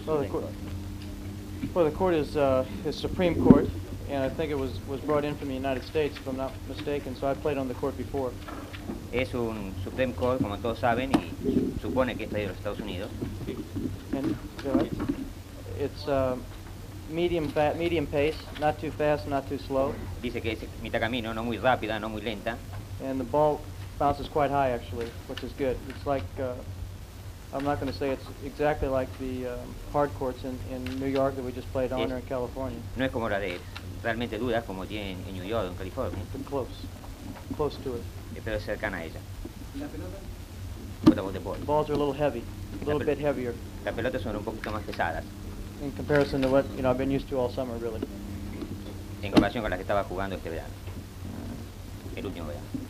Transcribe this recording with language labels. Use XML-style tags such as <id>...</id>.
<en>The court is Supreme Court, and I think it was brought in from the United States, if I'm not mistaken. So I played on the court before.</en> <es>Es un Supreme Court, como todos saben, y supone que está de los Estados Unidos.</es> <en>And it's medium pace, not too fast, not too slow.</en> <es>Dice que es mitad camino, no muy rápida, no muy lenta.</es> <en>And the ball bounces quite high, actually, which is good. It's like I'm not going to say it's exactly like the hard courts in New York that we just played on, or in California.</en> <es>No es como la de realmente duras como tienen en New York o en California.</es> <en>But close to it.</en> <es>Pero es cercana a ella. La pelota.</es> <en>Balls are a little heavy, a little bit heavier.</en> <es>Las pelotas son un poquito más pesadas.</es> <en>In comparison to what you know, I've been used to all summer, really.</en> <es>En comparación con las que estaba jugando este verano, el último verano.</es>